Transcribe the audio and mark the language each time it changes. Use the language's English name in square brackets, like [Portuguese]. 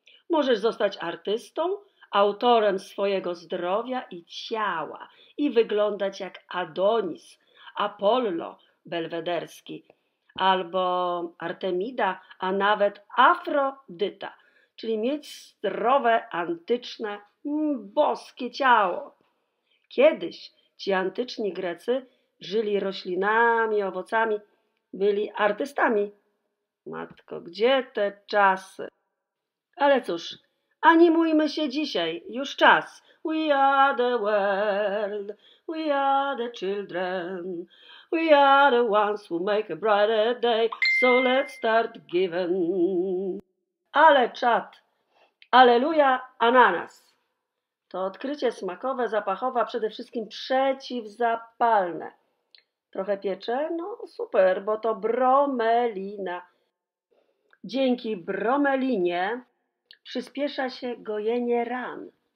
[Polish] Możesz zostać artystą, autorem swojego zdrowia i ciała i wyglądać jak Adonis, Apollo belwederski, albo Artemida, a nawet Afrodyta, czyli mieć zdrowe, antyczne, boskie ciało. Kiedyś ci antyczni Grecy żyli roślinami, owocami, byli artystami. Matko, gdzie te czasy? Ale cóż, animujmy się dzisiaj, już czas. [English] We are the world, we are the children, we are the ones who make a brighter day, so let's start giving. [Polish] Ale czat, aleluja ananas. To odkrycie smakowe, zapachowe, a przede wszystkim przeciwzapalne. Trochę piecze? No super, bo to bromelina. Dzięki bromelinie przyspiesza się gojenie ran.